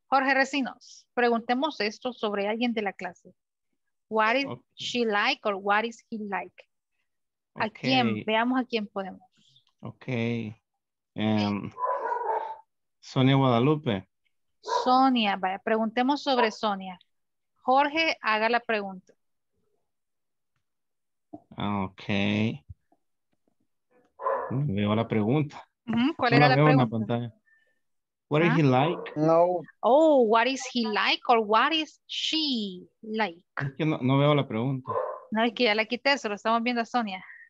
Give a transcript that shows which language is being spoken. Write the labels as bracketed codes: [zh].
[es] Jorge Recinos, preguntemos esto sobre alguien de la clase. [en] What is she like or what is he like? Okay. [es] Veamos a quién podemos. [en] Okay. [es] Sonia Guadalupe. Sonia, vaya, preguntemos sobre Sonia. Jorge, haga la pregunta. [en] Ok. [es] Veo la pregunta. ¿Cuál era la pregunta? En la pantalla. [en] What is he like? [es] No. [en] Oh, what is he like or what is she like? [es] Es que no veo la pregunta. No, es que ya la quité, solo estamos viendo a Sonia.